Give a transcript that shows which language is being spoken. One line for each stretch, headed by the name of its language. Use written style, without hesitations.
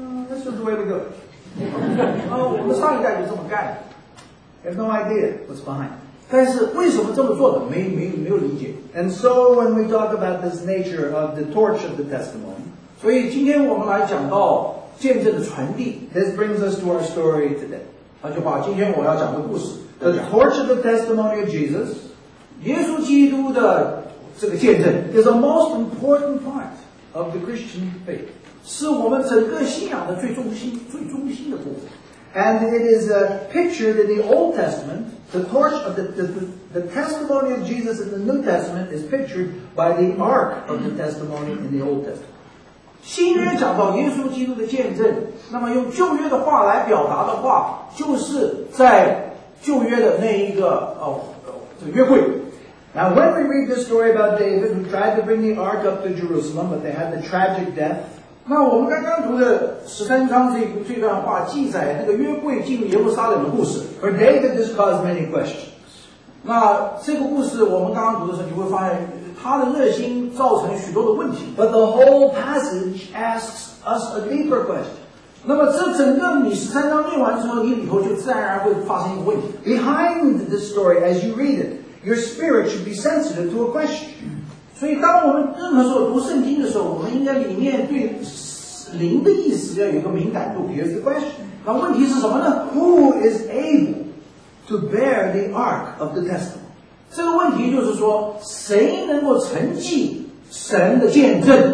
English: That's just the way we do it.
Chinese: 我们上一代就这么干。
English: Have no idea what's behind.
Chinese: 但是为什么这么做的没有理解。
English: And so when we talk about this nature of the torch of the testimony,
Chinese: 所以今天我们来讲到见证的传递。
English: This brings us to our story today.
Chinese: 那就把今天我要讲的故事。
English: The torch of the testimony of Jesus,
Chinese: 耶稣基督的这个见证
English: is a most important part of the Christian faith.
Chinese: 是我们整个信仰的最中心的部分。
English: And it is pictured in the Old Testament, the torch of the testimony of Jesus in the New Testament is pictured by the ark of the testimony in the Old Testament.
Chinese: 新约讲到耶稣基督的见证，那么用旧约的话来表达的话，就是在旧约的那一个约柜。
English: Now when we read the story about David who tried to bring the ark up to Jerusalem, but they had the tragic death,
Chinese: 那我们刚刚读的十三章这段话记载那个约柜进耶路撒冷的故事。
English: For David, this caused many questions.
Chinese: 那这个故事我们刚刚读的时候，你会发现他的热心造成许多的问题。
English: But the whole passage asks us a deeper question.
Chinese: 那么这整个你十三章念完之后，你里头就自然而然会发生一个问题。
English: Behind this story, as you read it, your spirit should be sensitive to a question.
Chinese: 所以当我们任何时候读圣经的时候，我们应该里面对灵的意思要有一个敏感度。
English: Here's the question.
Chinese: 那问题是什么呢？
English: Who is able to bear the ark of the testimony?
Chinese: 这个问题就是说，谁能够承继神的见证？